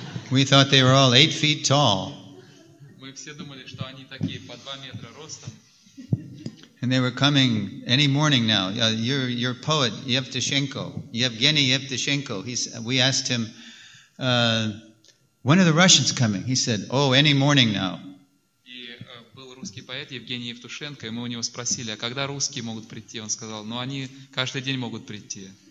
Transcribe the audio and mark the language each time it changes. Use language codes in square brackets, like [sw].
[en] We thought they were all 8 feet tall. [ru] Мы все думали, что они такие по 2 метра ростом. [en] And they were coming any morning now. Your poet Yevtushenko, Yevgeny Yevtushenko. We asked him, When are the Russians coming? He said, oh, any morning now. [ru] И был русский поэт Евгений Евтушенко, и мы у него спросили, а когда русские могут прийти? Он сказал, ну, они каждый день могут прийти.